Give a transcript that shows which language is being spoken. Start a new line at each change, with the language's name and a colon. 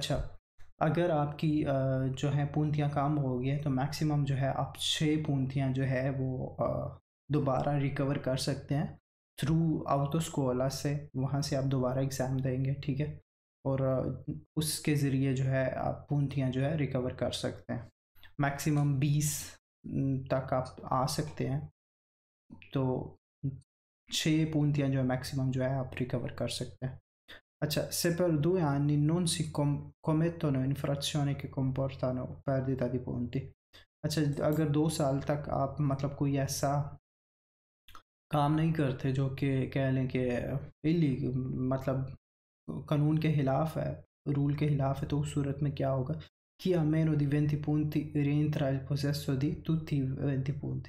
Hindi: अच्छा अगर आपकी जो है पूंतियाँ काम हो गई हैं तो मैक्सिमम जो है आप 6 पूंतियाँ जो है वो दोबारा रिकवर कर सकते हैं थ्रू आउटो स्कोला से, वहाँ से आप दोबारा एग्ज़ाम देंगे। ठीक है, और उसके ज़रिए जो है आप पूंतियाँ जो है रिकवर कर सकते हैं, मैक्सिमम 20 तक आप आ सकते हैं, तो 6 पूंतियाँ जो है मैक्सिमम जो है आप रिकवर कर सकते हैं।
Italian: अच्छा, से पर 2 anni non si commettono infrazioni che comportano perdita di punti।
Hindi: अच्छा, अगर 2 साल तक आप मतलब कोई ऐसा काम नहीं करते जो कि कह लें कि इली मतलब कानून के खिलाफ है, रूल के खिलाफ है, तो उस सूरत में क्या होगा कि
Italian: a meno di 20 punti
Hindi: rientra il possesso di tutti i 20 punti।